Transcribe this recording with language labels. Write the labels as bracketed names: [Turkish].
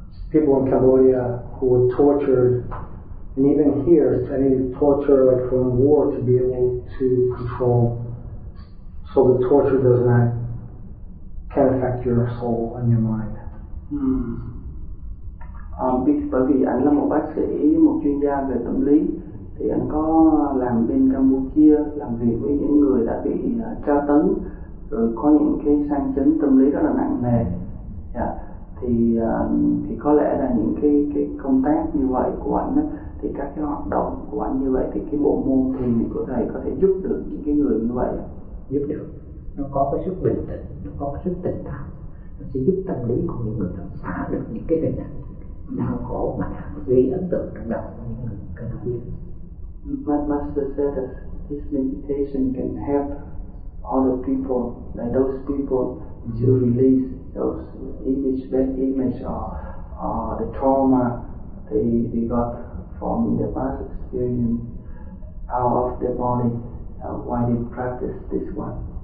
[English] People in Cambodia who were tortured, and even here, to any torture like from war to be able to control, so the torture does not can affect your soul and your mind. Hmm. [Vietnamese] bởi vì anh là một bác sĩ, một chuyên gia về tâm lý, thì anh có làm bên Campuchia, làm việc với những người đã bị tra tấn, rồi có những cái sang chấn tâm lý rất là nặng nề. Thì có lẽ là những cái công tác như vậy của anh á, thì các cái hoạt động của anh như vậy, thì cái bộ môn thiền của thầy có thể giúp được những cái người như vậy. Giúp được, nó có cái sức bình tĩnh, nó có cái sức tỉnh táo, nó sẽ giúp tâm lý của những người đó xả được những cái hình ảnh đau khổ mà gây ấn tượng trong đầu của những người cần biết. [English] My master said that this meditation can help all the people, like those people, to release those image, bad image or the trauma they got from the past experience out of their body while they practice this one.